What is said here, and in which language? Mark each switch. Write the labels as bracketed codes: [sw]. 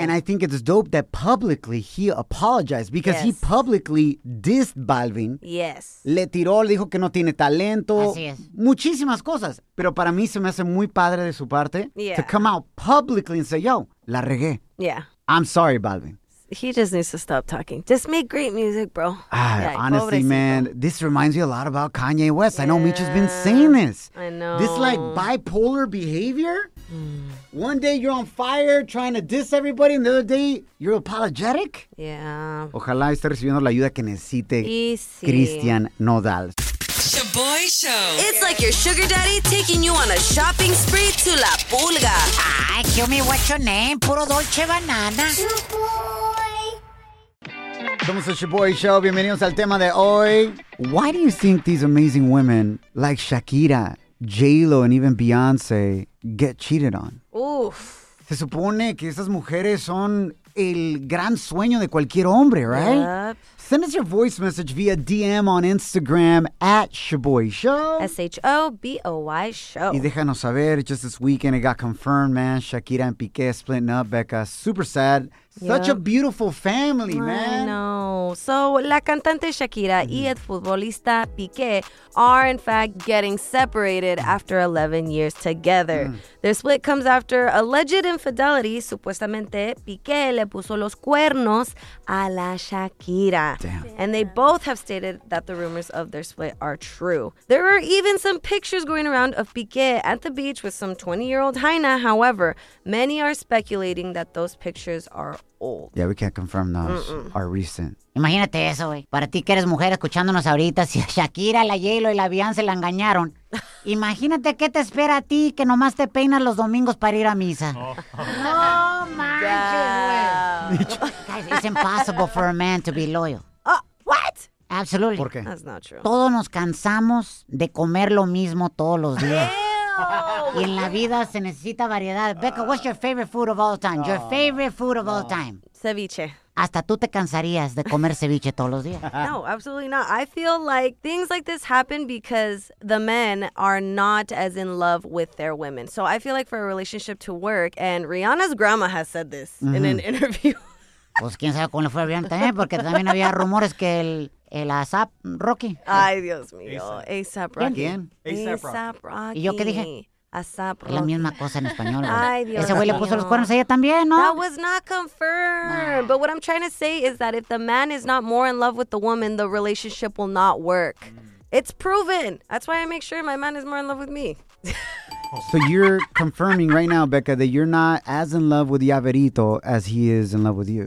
[en] And I think it's dope that publicly he apologized because he publicly dissed Balvin. Yes. [es] Le tiró, le dijo que no tiene talento. Así es. Muchísimas cosas. Pero para mí se me hace muy padre de su parte [en] to come out publicly and say, [es] yo, la regué. [en] Yeah. I'm sorry, Balvin. He just needs to stop talking. Just make great music, bro. Honestly, man, this reminds me a lot about Kanye West. Yeah. I know Micho's been saying this. I know. This, like, bipolar behavior. One day you're on fire trying to diss everybody, and the other day you're apologetic. Yeah. [es] Ojalá esté recibiendo la ayuda que necesite Cristian Nodal. [en] Shaboy Show. It's like your sugar daddy taking you on a shopping spree to La Pulga. Ay, kill me, what's your name? Puro Dolce Banana. [es] Somos el Shaboy Show. Bienvenidos al tema de hoy. [en] Why do you think these amazing women like Shakira, J-Lo, and even Beyonce get cheated on? Oof. [es] Se supone que esas mujeres son el gran sueño de cualquier hombre, right? [en] Yep. Send us your voice message via DM on Instagram at Shaboy Show. Shaboy Show. [es] Y déjanos saber, [en] just this weekend it got confirmed, man. Shakira and Piqué splitting up, Becca. Super sad. Such a beautiful family, man. I know. So, [es] la cantante Shakira y el futbolista Piqué [en] are, in fact, getting separated after 11 years together. Their split comes after alleged infidelity. [es] Supuestamente, Piqué le puso los cuernos a la Shakira. [en] Damn. And they both have stated that the rumors of their split are true. There are even some pictures going around of Piqué at the beach with some 20-year-old Jaina. However, many are speculating that those pictures are old. Yeah, we can't confirm those are recent. [es] Imagínate eso, güey. Para ti que eres mujer escuchándonos ahorita, si a Shakira, la J-Lo y la Beyoncé la engañaron, imagínate qué te espera a ti que nomás te peinas los domingos para ir a misa. [en] Oh. [es] No manches, güey. [en] It's impossible for a man to be loyal. What? Absolutely. [es] ¿Por qué? [en] That's not true. [es] Todos nos cansamos de comer lo mismo todos los días. Y en la vida se necesita variedad. [en] Becca, what's your favorite food of all time? Your favorite food of all time? [es] Ceviche. Hasta tú te cansarías de comer ceviche todos los días. [en] No, absolutely not. I feel like things like this happen because the men are not as in love with their women. So I feel like for a relationship to work, and Rihanna's grandma has said this in an interview. [es] Pues quién sabe cómo le fue a Rihanna también, porque también había rumores que el A$AP Rocky. Ay, Dios mío. A$AP Rocky. ¿Quién? A$AP Rocky. ¿Y yo qué dije? A$AP Rocky. La misma cosa en español. Ay, Dios Ese güey le puso los cuernos a ella también, ¿no? [en] That was not confirmed. Nah. But what I'm trying to say is that if the man is not more in love with the woman, the relationship will not work. It's proven. That's why I make sure my man is more in love with me. So you're confirming right now, Becca, that you're not as in love with Yaverito as he is in love with you.